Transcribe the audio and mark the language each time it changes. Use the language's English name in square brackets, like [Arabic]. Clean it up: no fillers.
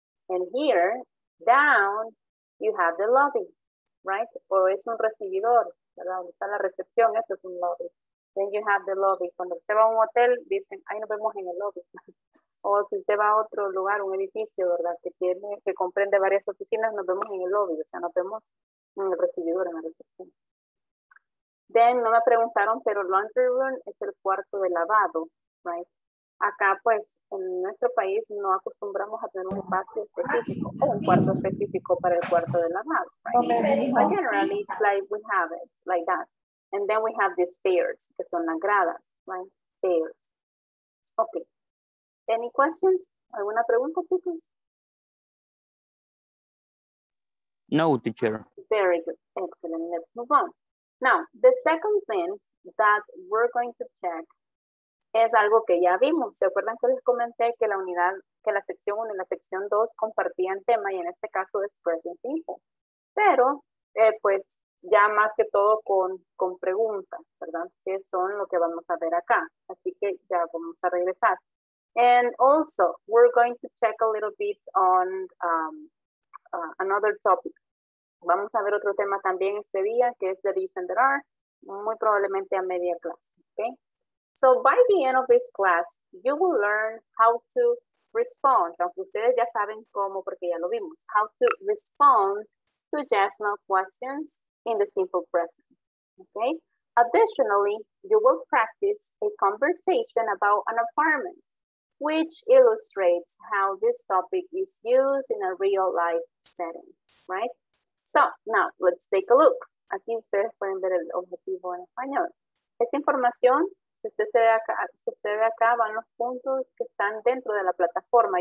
[English] And here, down, you have the lobby, right? [Spanish] O es un recibidor, ¿verdad? Donde está la recepción, eso es un lobby. [English] Then you have the lobby. [Spanish] Cuando usted va a un hotel, dicen, ahí nos vemos en el lobby. O si usted va a otro lugar, un edificio, ¿verdad? Que tiene, que comprende varias oficinas, nos vemos en el lobby. O sea, nos vemos en el recibidor, en la recepción. Then, no me preguntaron, pero laundry room es el cuarto de lavado, right? Acá, pues, en nuestro país no acostumbramos a tener un espacio específico o un cuarto específico para el cuarto de lavado. [English] Right? But generally, it's like we have it, like that. And then we have the stairs, [Spanish] que son las gradas, [English] right? Stairs. Okay. Any questions? [Spanish] ¿Alguna pregunta, chicos? [English] No, teacher. Very good. Excellent. Let's move on. Now, the second thing that we're going to check [Spanish] es algo que ya vimos. ¿Se acuerdan que les comenté que la unidad, que la sección 1 y la sección 2 compartían tema y en este caso es present simple? Pero, pues, ya más que todo con preguntas, ¿verdad? Que son lo que vamos a ver acá. Así que ya vamos a regresar. [English] And also, we're going to check a little bit on another topic. [Spanish] Vamos a ver otro tema también este día, que es the this and the are, muy probablemente a media clase, okay? [English] So by the end of this class, you will learn how to respond. [Spanish] Aunque ustedes ya saben cómo, porque ya lo vimos. [English] How to respond to yes, no questions in the simple present, okay? Additionally, you will practice a conversation about an apartment, which illustrates how this topic is used in a real life setting, right? So, now, let's take a look. [Spanish] Aquí ustedes pueden ver el objetivo en español. Esta información, si usted ve acá, van los puntos que están dentro de la plataforma.